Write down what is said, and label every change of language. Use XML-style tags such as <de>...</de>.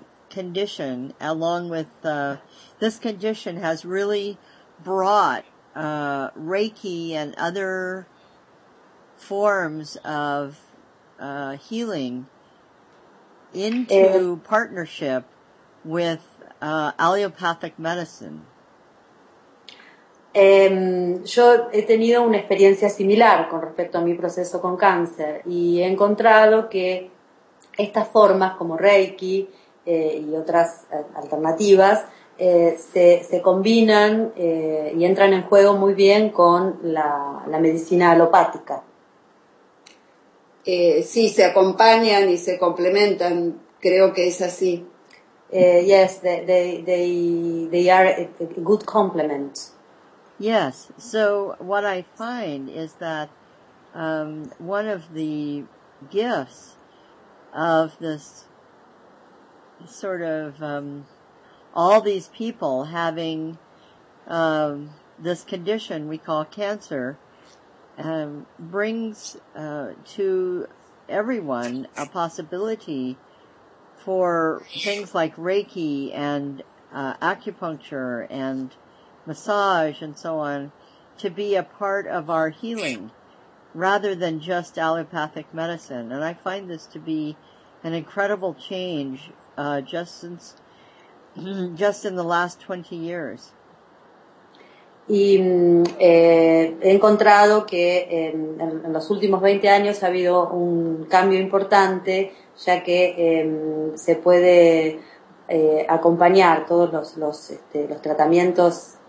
<en>condition, along with this condition, has really brought Reiki and other forms of healing into partnership with allopathic medicine.</en> <es>Yo he tenido una experiencia similar con respecto a mi proceso con cáncer y he encontrado que estas formas como Reiki y otras alternativas se combinan y entran en juego muy bien con la medicina alopática. Sí, se acompañan y se complementan, creo que es así.</es> <en>Yes, they are a good complement. Yes, so what I find is that one of the gifts of this sort of all these people having this condition we call cancer brings to everyone a possibility for things like Reiki and acupuncture and massage and so on to be a part of our healing rather than just allopathic medicine. And I find this to be an incredible change just in the last 20 years.</en> <es>Y he encontrado que en los últimos 20 años ha habido un cambio importante, ya que se puede acompañar todos los tratamientos.</es>